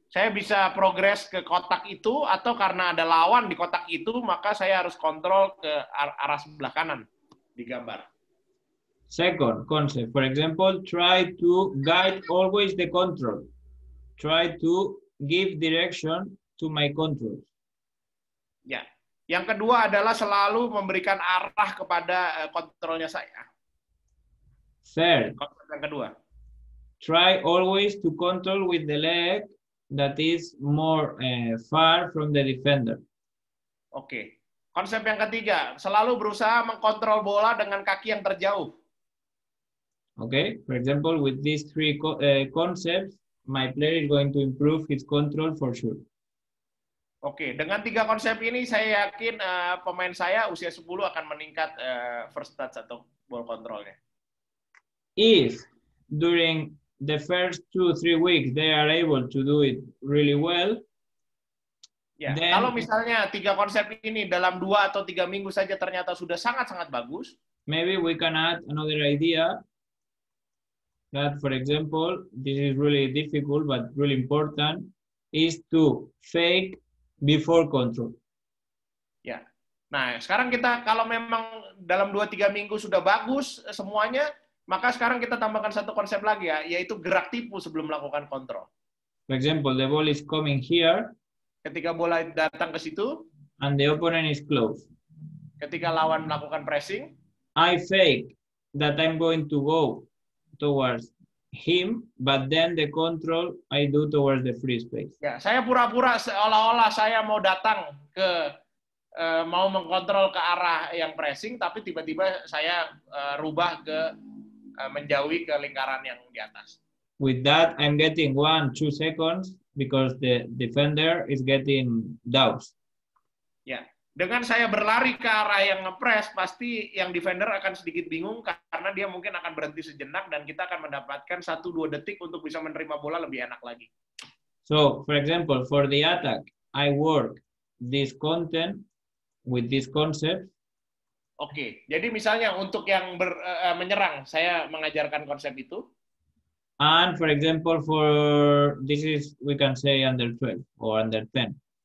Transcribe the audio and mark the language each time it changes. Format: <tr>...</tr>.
<id>Saya bisa progress ke kotak itu atau karena ada lawan di kotak itu, maka saya harus kontrol ke arah sebelah kanan di gambar.</id> <en>Second concept, for example, try to guide always the control. Try to give direction to my control.</en> <id>Ya. Yang kedua adalah selalu memberikan arah kepada kontrolnya saya.</id> <en>Third.</en> <id>Konsep yang kedua.</id> <en>Try always to control with the leg that is more far from the defender.</en> <id>Okay. Konsep yang ketiga, selalu berusaha mengkontrol bola dengan kaki yang terjauh.</id> <en>Okay. For example, with these three concepts, my player is going to improve his control for sure.</en> <id>Okay, dengan tiga konsep ini, saya yakin pemain saya usia 10 akan meningkat first touch atau ball control-nya.</id> <en>If during the first 2-3 weeks they are able to do it really well,</en> <id>Then, kalau misalnya tiga konsep ini dalam dua atau tiga minggu saja ternyata sudah sangat-sangat bagus,</id> <en>maybe we can add another idea that, for example, this is really difficult but really important, is to fake before control. Yeah.</en> <id>Nah, sekarang kita kalau memang dalam 2-3 minggu sudah bagus semuanya, maka sekarang kita tambahkan satu konsep lagi ya, yaitu gerak tipu sebelum melakukan kontrol.</id> <en>For example, the ball is coming here.</en> <id>Ketika bola datang ke situ.</id> <en>And the opponent is close.</en> <id>Ketika lawan melakukan pressing.</id> <en>I fake that I'm going to go towards him, but then the control I do towards the free space.</en> <id>Ya, saya pura-pura seolah-olah saya mau datang ke mau mengkontrol ke arah yang pressing, tapi tiba-tiba saya rubah ke menjauhi ke lingkaran yang di atas.</id> <en>With that, I'm getting 1-2 seconds because the defender is getting doused.</en> <id>Ya, dengan saya berlari ke arah yang ngepress, pasti yang defender akan sedikit bingung karena dia mungkin akan berhenti sejenak dan kita akan mendapatkan 1-2 detik untuk bisa menerima bola lebih enak lagi.</id> <en>So, for example, for the attack, I work this content with this concept.</en> <id>Oke, jadi misalnya untuk yang menyerang, saya mengajarkan konsep itu.</id> <en>And for example, for this is we can say under 12 or under 10.</en>